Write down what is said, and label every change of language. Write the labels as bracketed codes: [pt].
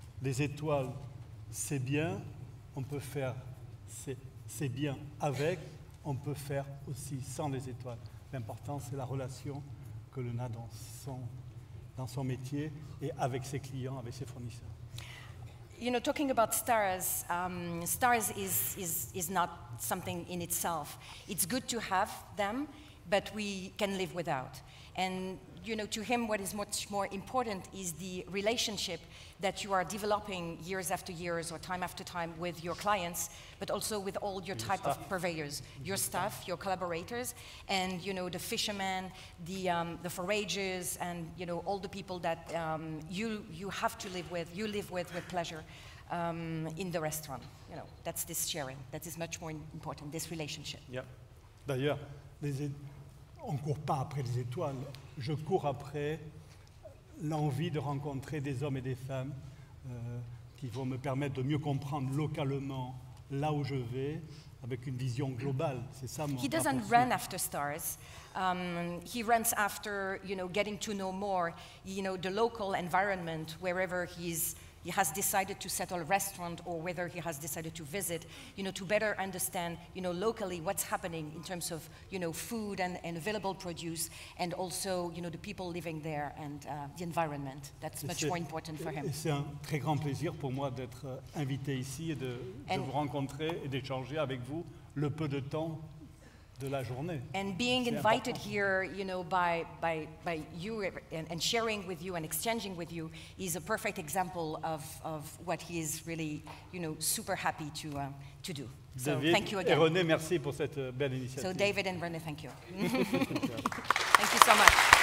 [fr] Les étoiles, c'est bien, on peut faire, c'est bien avec, on peut faire aussi sans les étoiles. L'important, c'est la relation que l'on a dans son métier et avec ses clients, avec ses fournisseurs. [en] You know, talking about stars, stars is not something in itself. It's good to have them, but we can live without. And, you know, to him, what is much more important is the relationship that you are developing years after years or time after time with your clients, but also with all your type of purveyors, your staff, your collaborators, and, you know, the fishermen, the foragers, and, you know, all the people that you have to live with, you live with pleasure in the restaurant. You know, that's this sharing. That is much more important, this relationship. Yeah. [fr] D'ailleurs, on ne court pas après les étoiles. Je cours après l'envie de rencontrer des hommes et des femmes qui vont me permettre de mieux comprendre localement là où je vais, avec une vision globale. C'est ça mon [en] He doesn't rapport. Run after stars. He runs after, you know, getting to know more, you know, the local environment wherever he has decided to settle a restaurant or whether he has decided to visit, you know, to better understand, you know, locally what's happening in terms of, you know, food and available produce and also, you know, the people living there and the environment. That's much more important for him. [fr] C'est un très grand plaisir pour moi d'être invité ici et de vous rencontrer et d'échanger avec vous le peu de temps de la journée. [en] And being [fr] c'est [en] invited [fr] important. [en] Here, you know, by you and sharing with you and exchanging with you is a perfect example of what he is really, you know, super happy to do. David so thank you again. [fr] Et René, merci pour cette belle initiative. [en] So David and René, thank you. Thank you so much.